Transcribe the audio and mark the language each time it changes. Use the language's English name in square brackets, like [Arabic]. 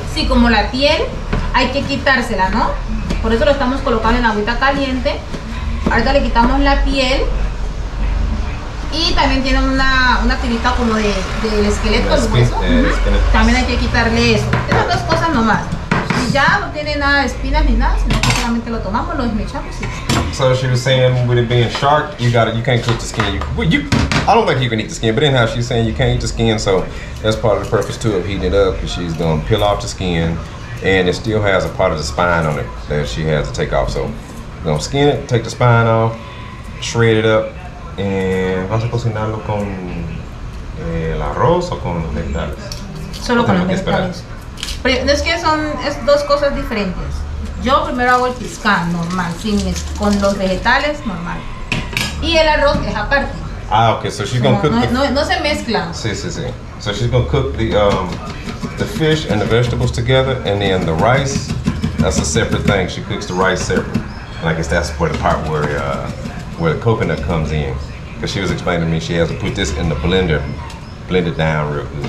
[Spanish] Sí, como la piel, hay que quitársela, ¿no? Por eso lo estamos colocando en agüita caliente. Ahorita le quitamos la piel. Y también tiene una tirita como del esqueleto, el hueso. También hay que quitarle eso. Esas dos cosas nomás. Y ya no tiene nada de espinas ni nada, sino que solamente lo tomamos, lo desmechamos y... [English] So she was saying, with it being shark, you can't cook the skin. I don't think you can eat the skin, but anyhow, she's saying you can't eat the skin, so that's part of the purpose too of heating it up, because she's gonna peel off the skin, and it still has a part of the spine on it that she has to take off. So we're gonna skin it, take the spine off, shred it up, and vamos a cocinarlo con el arroz o con los vegetales. [Spanish] Solo con los vegetales. Es que son dos cosas diferentes. Yo primero hago el piscam normal, con los vegetales normal. Y el arroz es aparte. [English] Ah, okay, so she's gonna cook. [Spanish] No se mezcla. Sí. [English] So she's gonna cook the fish and the vegetables together, and then the rice, that's a separate thing. She cooks the rice separate. And I guess that's where the part where the coconut comes in. Because she was explaining to me she has to put this in the blender, blend it down real good.